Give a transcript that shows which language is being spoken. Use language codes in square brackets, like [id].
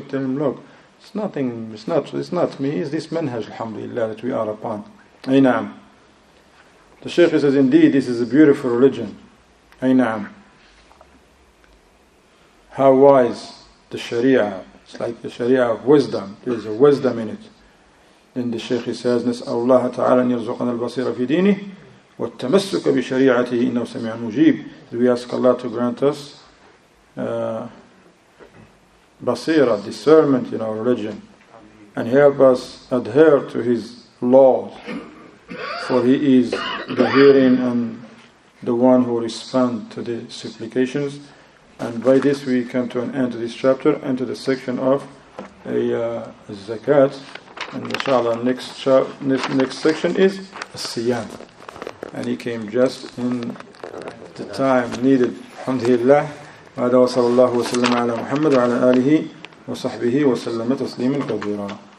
[en] Tell him, look, it's not me, it's this manhaj, alhamdulillah, that we are upon. Aynam. The Shaykh says, indeed, this is a beautiful religion. Aynam. How wise the Sharia. It's like the Sharia of wisdom. There is a wisdom in it. Then the Shaykh says, [ar] نسأل الله تعالى أن يرزقنا البصيرة في دينه والتمسك بشريعته إنه سميع مجيب. [en] We ask Allah to grant us basira, discernment in our religion, and help us adhere to His laws, for He is the hearing and the one who responds to the supplications. And by this we come to an end to this chapter and to the section of zakat. And inshallah, next section is siyam. And he came just in the time needed. Alhamdulillah. [ar] وهذا وصلى الله وسلم على محمد وعلى آله وصحبه وسلم تسليما كثيرا.